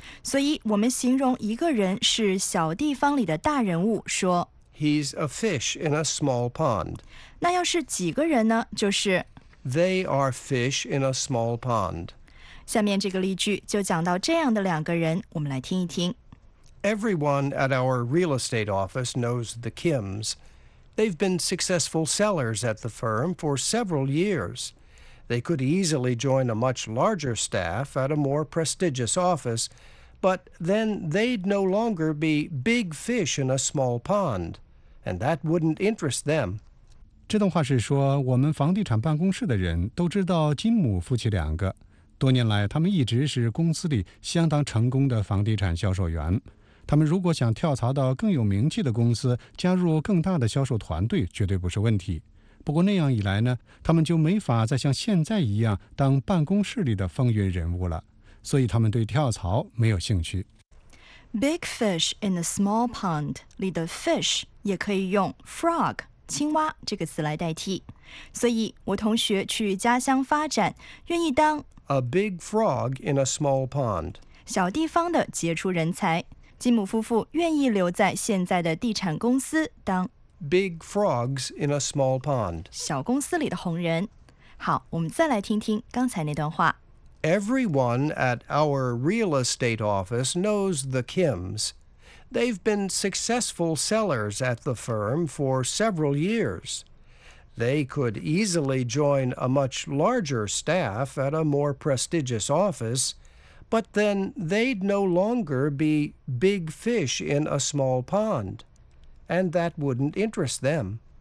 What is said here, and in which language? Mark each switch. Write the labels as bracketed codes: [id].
[zh] 所以我们形容一个人是小地方里的大人物说 [en] He's a fish in a small pond. [zh] 那要是几个人呢就是 [en] They are fish in a small pond. [zh] 下面这个例句就讲到这样的两个人，我们来听一听。 [en] Everyone at our real estate office knows the Kims. They've been successful sellers at the firm for several years. They could easily join a much larger staff at a more prestigious office, but then they'd no longer be big fish in a small pond, and that wouldn't interest them. [zh] 这段话是说，我们房地产办公室的人都知道金姆夫妻两个。多年来，他们一直是公司里相当成功的房地产销售员。他们如果想跳槽到更有名气的公司，加入更大的销售团队，绝对不是问题。不过那样一来呢，他们就没法再像现在一样当办公室里的风云人物了。所以他们对跳槽没有兴趣。 [en] Big fish in a small pond [zh] 里的 fish 也可以用 frog 青蛙这个词来代替。所以我同学去家乡发展，愿意当 [en] A big frog in a small pond. [zh] 小地方的杰出人才，金姆夫妇愿意留在现在的地产公司当 [en] big frogs in a small pond. [zh] 小公司里的红人。好，我们再来听听刚才那段话。 [en] Everyone at our real estate office knows the Kims. They've been successful sellers at the firm for several years. They could easily join a much larger staff at a more prestigious office, but then they'd no longer be big fish in a small pond, and that wouldn't interest them.